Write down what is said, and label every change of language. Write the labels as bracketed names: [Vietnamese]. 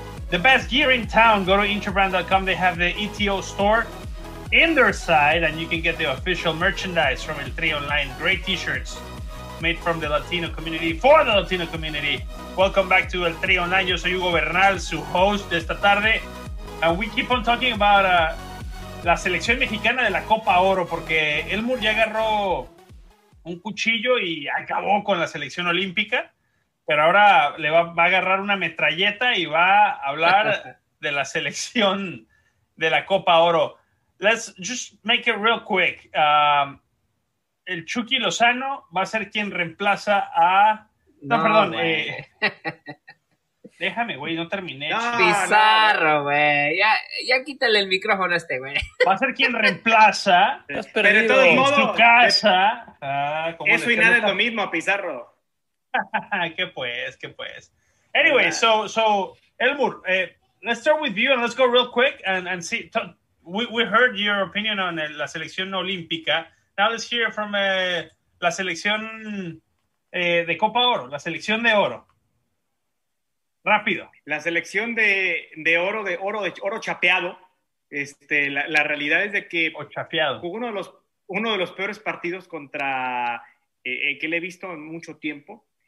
[English] The best gear in town, go to intrabrand.com. They have the ETO store in their side, and you can get the official merchandise from El Tri Online. Great t-shirts made from the Latino community, for the Latino community. Welcome back to El Tri Online. [Spanish] Yo soy Hugo Bernal, su host de esta tarde. [English] And we keep on talking about [Spanish] la selección mexicana de la Copa Oro, porque Elmur ya agarró un cuchillo y acabó con la selección olímpica, pero ahora le va a agarrar una metralleta y va a hablar de la selección de la Copa Oro. [English] Let's just make it real quick. [Spanish] el Chucky Lozano va a ser quien reemplaza a... Déjame, güey, no terminé. Pizarro, güey. Ya quítale el micrófono a este, güey. Va a ser quien reemplaza. Pero de todos modos. En su casa. Eso y nada es lo mismo, Pizarro. ¿Qué pues? [English] Anyway, so Elmur, let's start with you and let's go real quick and see. We heard your opinion on [Spanish] la selección olímpica. [English] Now let's hear from [Spanish] la selección de Copa Oro, la selección de oro. Rápido. La selección de oro chapeado. La realidad es de que jugó uno de los peores partidos contra que le he visto en mucho tiempo.